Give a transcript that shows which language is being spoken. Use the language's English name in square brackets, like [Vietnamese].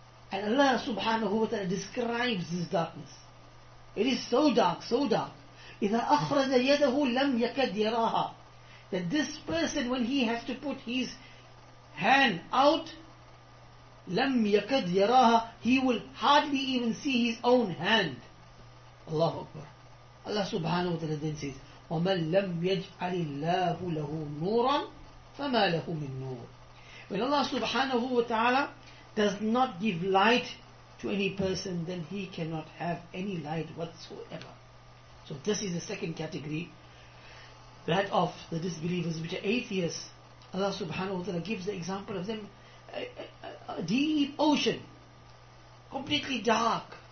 [English] And Allah subhanahu wa ta'ala describes this darkness. It is so dark, so dark. [Arabic] إِذَا أَخْرَجَ يَدَهُ لَمْ يَكَدْ يَرَاهَا. [English] That this person, when he has to put his hand out, [Arabic] لَمْ يَكَدْ يَرَاهَا, [English] he will hardly even see his own hand. Allahu Akbar. [Arabic] Allah subhanahu wa ta'ala [English] then says, [Arabic] وَمَنْ لَمْ يَجْعَلِ اللَّهُ لَهُ نُورًا فَمَا لَهُ مِنْ نُورًا. [English] When Allah subhanahu wa ta'ala does not give light to any person, then he cannot have any light whatsoever. So this is the second category, that of the disbelievers, which are atheists. Allah subhanahu wa ta'ala gives the example of them, a deep ocean, completely dark.